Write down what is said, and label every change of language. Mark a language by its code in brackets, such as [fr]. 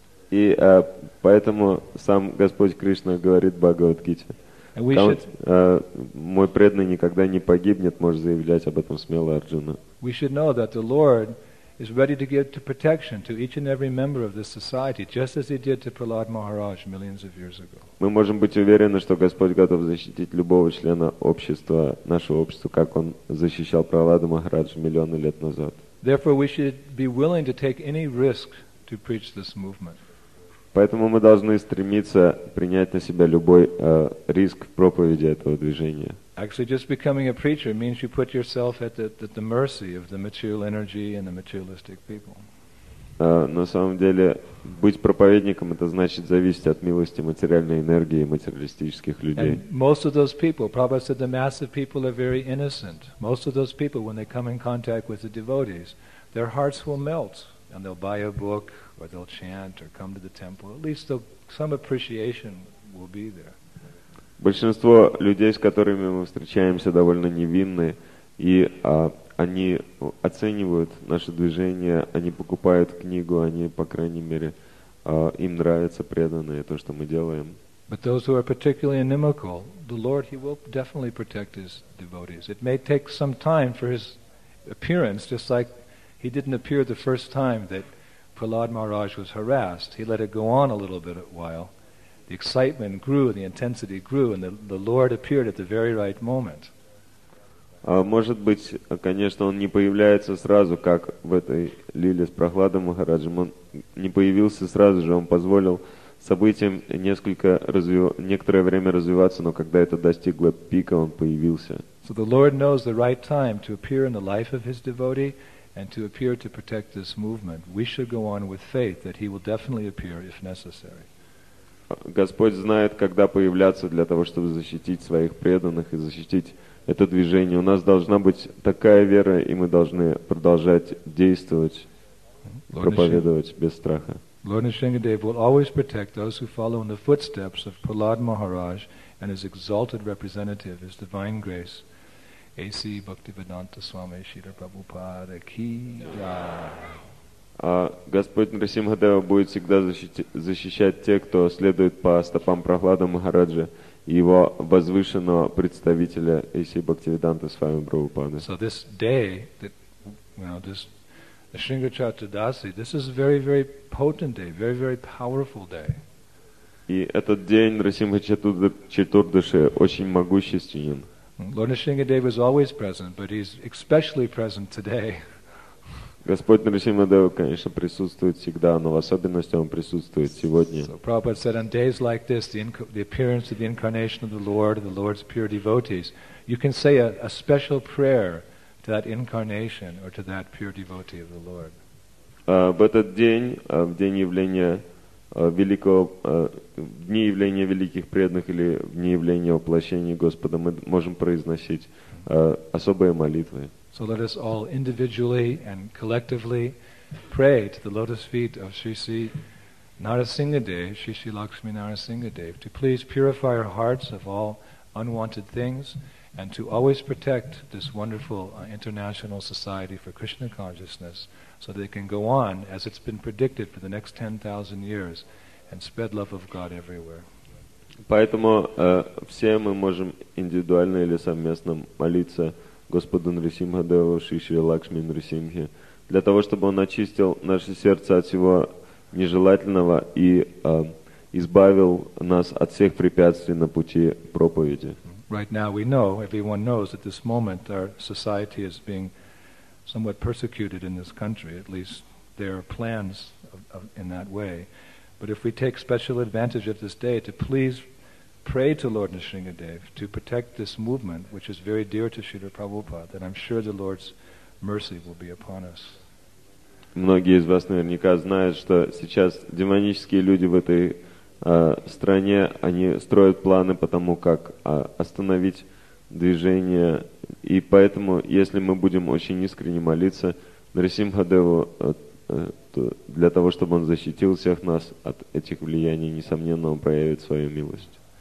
[ru] И поэтому сам Господь Кришна говорит Бхагавад-гите, мой преданный никогда не погибнет, может заявлять об этом смело Арджуна. [en] We should know that the Lord is ready to give to protection to each and every member of this society, just as he did to Prahlad Maharaj millions of years ago. [ru] Мы можем быть уверены, что Господь готов защитить любого члена общества, нашего общества, как он защищал Прахлада Махараджа миллионы лет назад. [en] Therefore, we should be willing to take any risk to preach this movement. [ru] Поэтому мы должны стремиться принять на себя любой риск в проповеди этого движения. [en] Actually, just becoming a preacher means you put yourself at the mercy of the material energy and the materialistic people. [ru] На самом деле, быть проповедником это значит зависеть от милости материальной энергии и материалистических людей. [en] And most of those people, Prabhupada said, the mass of people are very innocent. Most of those people, when they come in contact with the devotees, their hearts will melt and they'll buy a book or they'll chant or come to the temple. At least some appreciation will be there. [ru] Большинство людей, с которыми мы встречаемся, довольно невинны, и они оценивают наше движение, они покупают книгу, они, по крайней мере, им нравится преданное то, что мы делаем. [en] But those who are particularly inimical, the Lord, he will definitely protect his devotees. It may take some time for his appearance, just like he didn't appear the first time that Prahlad Maharaj was harassed. He let it go on a little bit a while. The excitement grew, the intensity grew, and the Lord appeared at the very right moment. [ru] Может быть, конечно, он не появляется сразу, как в этой лиле с Прахладом Махараджем. Он не появился сразу же, он позволил событиям некоторое время развиваться, но когда это достигло пика, он появился. [en] So the Lord knows the right time to appear in the life of his devotee and to appear to protect this movement. We should go on with faith that he will definitely appear if necessary. [ru] Господь знает, когда появляться для того, чтобы защитить своих преданных и защитить это движение. У нас должна быть такая вера, и мы должны продолжать действовать, проповедовать без страха. [en] Lord Nrisimhadeva will always protect those who follow in the footsteps of Prahlad Maharaj and his exalted representative, his divine grace, A.C. Bhaktivedanta Swami Srila Prabhupada Ki Jai. [ru] Господь Нрисимхадева будет всегда защищать тех, кто следует по стопам Прахлада Махараджа и его возвышенного представителя Эйси Бхактивиданта Свами Прабхупады. [en] So this day, that, this Шринга Чатурдаси, this is a very, very potent day, very, very powerful day. [ru] И этот день Нрисимха Чатурдаши очень могущественен. [en] Lord Nrisimhadeva was always present, but he's especially present today. [ru] Господь Нрисимхадева, конечно, присутствует всегда, но в особенности он присутствует сегодня. [en] So Prabhupada said, on days like this, the appearance of the incarnation of the Lord, the Lord's pure devotees, you can say a special prayer to that incarnation or to that pure devotee of the Lord. [ru] В этот день, в день явления великого, дни явления великих преданных или в дни явления воплощения Господа, мы можем произносить особые молитвы. [en] So let us all individually and collectively pray to the lotus feet of Srisi Narasimhadev, Srisi Lakshmi Narasimhadev, to please purify our hearts of all unwanted things and to always protect this wonderful international society for Krishna consciousness so that it can go on as it's been predicted for the next 10,000 years and spread love of God everywhere. [ru] Поэтому все мы можем индивидуально или совместно молиться Господу Нрисимхадеву, Шишри Лакшми Нрисимхе, для того, чтобы он очистил наше сердце от всего нежелательного и избавил нас от всех препятствий на пути проповеди. [en] Right now we know, everyone knows, at this moment our society is being somewhat persecuted in this country, at least there are plans in that way. But if we take special advantage of this day to please pray to Lord Nrisimhadev to protect this movement, which is very dear to Srila Prabhupada, then I'm sure the Lord's mercy will be upon us. [ru] Многие из вас наверняка знают, что сейчас демонические люди в этой стране, они строят планы по тому, как остановить движение. И поэтому, если мы будем очень искренне молиться Нрисимхадеву для того, чтобы он защитил всех нас от этих влияний, несомненно, он проявит свою милость.